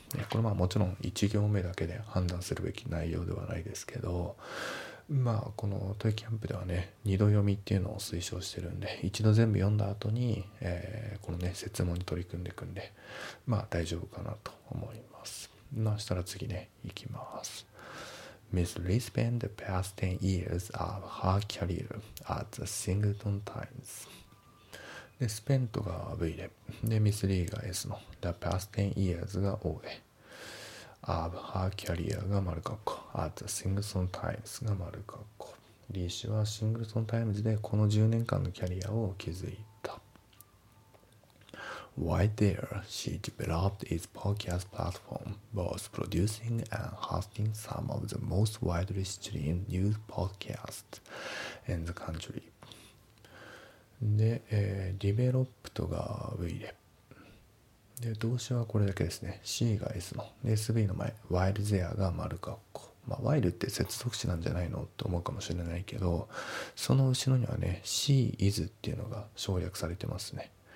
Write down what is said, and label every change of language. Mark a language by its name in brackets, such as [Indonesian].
[Japanese] これはもちろん1行目だけで判断するべき内容ではないですけど、まあこのトイキャンプではね、二度読みっていうのを推奨してるんで、一度全部読んだ後に、このね、設問に取り組んでいくんで、まあ大丈夫かなと思います。まあしたら次ね、行きます。 [English] Miss Lee spent the past 10 years of her career at the Singleton Times. [Japanese] で、spent が V で、で、Miss Lee が S の、 [English] the past 10 years [Japanese] が O で、 [English] of her career [Japanese] が丸括弧、 [English] at the Singleton Times [Japanese] が丸括弧。 Lee 氏は Singleton Times でこの10年間のキャリアを築いた。 [English] While there, she developed its podcast platform, both producing and hosting some of the most widely streamed news podcasts in the country. [Japanese] で、developed が V で。で、動詞はこれだけですね。 C が S の。で、SB の前、while there が丸括弧。まあ、while って接続詞なんじゃないのって思うかもしれないけど、その後ろにはね、C is っていうのが省略されてますね。